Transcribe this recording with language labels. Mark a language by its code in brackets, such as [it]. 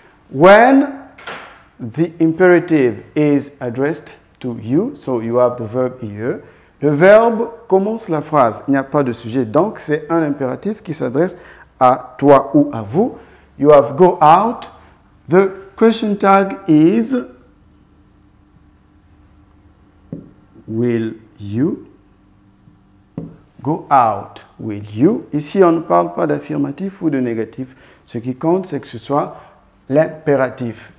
[en] When the imperative is addressed to you, so you have the verb here. [fr] Le verbe commence la phrase. Il n'y a pas de sujet. Donc, c'est un impératif qui s'adresse à toi ou à vous. [en] You have go out. The question tag is will you go out with you? [fr] Ici, on ne parle pas d'affirmatif ou de négatif. Ce qui compte, c'est que ce soit l'impératif.